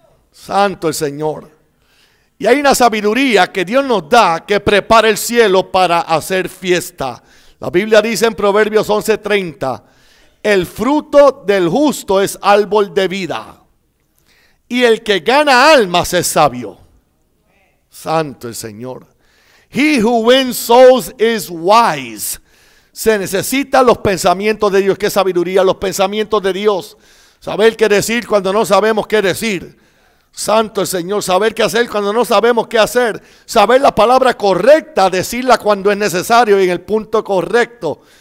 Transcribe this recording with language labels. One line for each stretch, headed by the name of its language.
Spanish: Santo el Señor. Y hay una sabiduría que Dios nos da que prepara el cielo para hacer fiesta. La Biblia dice en Proverbios 11:30, el fruto del justo es árbol de vida. Y el que gana almas es sabio. Santo el Señor.
English: He who wins souls is wise.
Spanish: Se necesitan los pensamientos de Dios. ¿Qué sabiduría? Los pensamientos de Dios. Saber qué decir cuando no sabemos qué decir. Santo el Señor, saber qué hacer cuando no sabemos qué hacer, saber la palabra correcta, decirla cuando es necesario y en el punto correcto.